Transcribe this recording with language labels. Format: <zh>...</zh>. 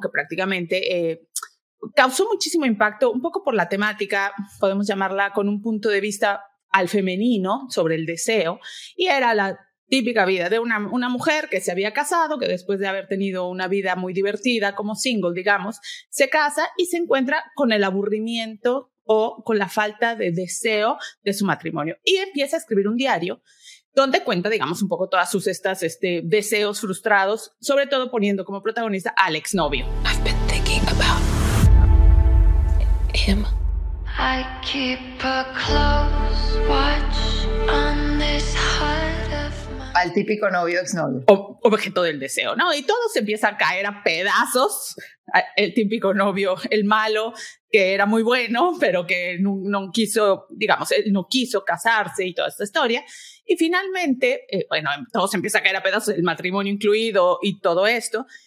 <es>Que prácticamente causó muchísimo impacto, un poco por la temática, podemos llamarla con un punto de vista al femenino, sobre el deseo, y era la típica vida de una mujer que se había casado, que después de haber tenido una vida muy divertida como single, digamos, se casa y se encuentra con el aburrimiento o con la falta de deseo de su matrimonio. Y empieza a escribir un diario donde cuenta, digamos, un poco todas sus deseos frustrados, sobre todo poniendo como protagonista al exnovio.</es> <en>I've been thinking about him. I keep a close watch on this heart.</en> <es>Al típico novio, exnovio. Objeto del deseo, ¿no? Y todo se empieza a caer a pedazos. El típico novio, el malo, que era muy bueno, pero que no quiso, digamos, él no quiso casarse y toda esta historia. Y finalmente, bueno, todo se empieza a caer a pedazos, el matrimonio incluido y todo esto.</es>